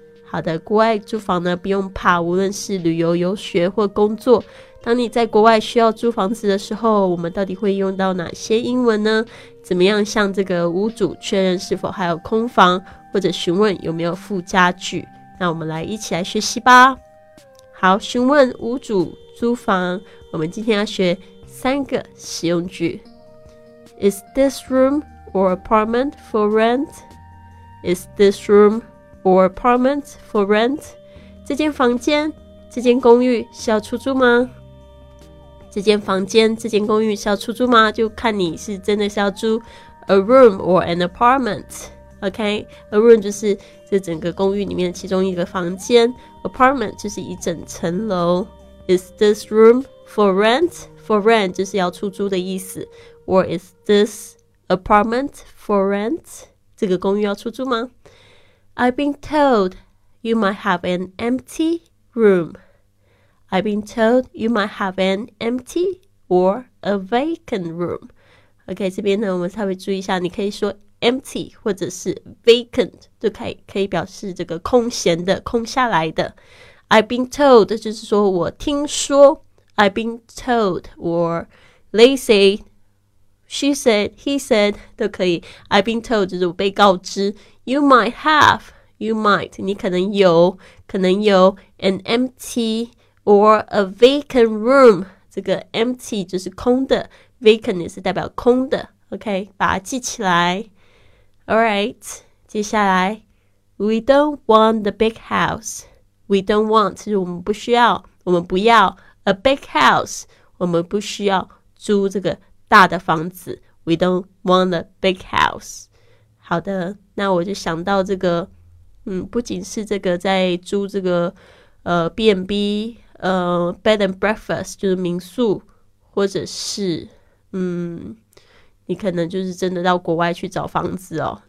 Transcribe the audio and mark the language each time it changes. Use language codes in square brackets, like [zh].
[zh] 好的，国外租房呢不用怕，无论是旅游、游学或工作，当你在国外需要租房子的时候，我们到底会用到哪些英文呢？怎么样向这个屋主确认是否还有空房，或者询问有没有附加具？那我们来一起来学习吧。好，询问屋主租房，我们今天要学三个实用句。 [en] Is this room or apartment for rent? Is this room or apartment for rent? [zh] 这间房间这间公寓是要出租吗？这间房间这间公寓是要出租吗？就看你是真的是要租 [en] a room or an apartment。 [zh] OK, a room 就是这整个公寓里面其中一个房间， apartment 就是一整层楼。 [en] Is this room for rent? [zh] For rent 就是要出租的意思。 [en] Or is this apartment for rent? [zh] 这个公寓要出租吗？ [en] I've been told you might have an empty room. I've been told you might have an empty or a vacant room. [zh] OK, 这边呢我们稍微注意一下，你可以说 empty 或者是 vacant 都可以，可以表示这个空闲的，空下来的。 [en] I've been told, [zh] 就是说我听说。 [en] I've been told, or they say, she said, he said, [zh] 都可以。 [en] I've been told, [zh] 就是我被告知。 [en] You might have, you might, [zh] 你可能有，可能有 [en] an empty or a vacant room。 [zh] 这个 empty 就是空的， vacant 也是代表空的。 OK, 把它记起来。 [en] Alright, [zh] 接下来 [en] We don't want the big house. We don't want, [zh] 其实我们不需要，我们不要 [en] a big house, [zh] 我们不需要租这个大的房子。 [en] We don't want a big house. [zh] 好的，那我就想到这个，不仅是这个在租这个B&B, bed and breakfast, 就是民宿，或者是你可能就是真的到国外去找房子哦。